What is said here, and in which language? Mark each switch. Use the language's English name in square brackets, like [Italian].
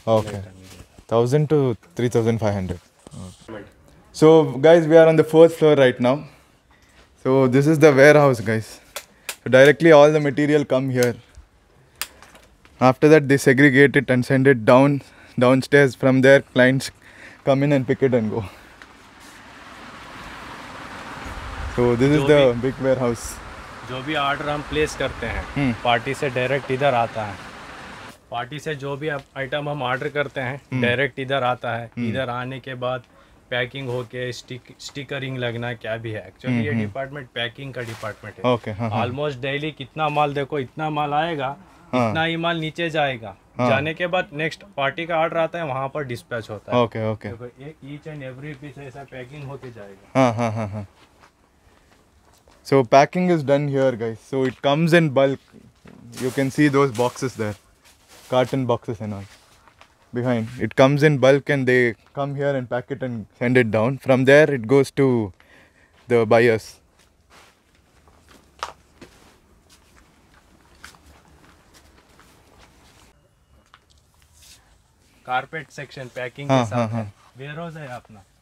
[English] Okay 1000 to 3500 so guys we are on the fourth floor right now so this is the warehouse guys directly all the material come here after that they segregated and sended downstairs from there clients come in and pick it and go So this is the big warehouse. [Hindi] जो भी order हम place करते हैं, party से direct इधर आता है. Party से जो भी आइटम हम ऑर्डर करते हैं डायरेक्ट इधर आता है. इधर आने के बाद पैकिंग होके स्टिकरिंग लगना क्या भी है. एक्चुअली ये डिपार्टमेंट पैकिंग का डिपार्टमेंट है. ओके. ऑलमोस्ट डेली कितना माल देखो, इतना माल आएगा इतना ही माल नीचे जाएगा. जाने के बाद नेक्स्ट पार्टी का ऑर्डर आता है वहाँ पर डिस्पैच होता है. Okay okay. Each and every piece ऐसा पैकिंग होके जाएगा. [English] So packing is done here guys. So it comes in bulk. You can see those boxes there, carton boxes and all behind. It comes in bulk and they come here and pack it and send it down. From there it goes to the buyers. [Hindi] Carpet section packing ke sath warehouse hai apna.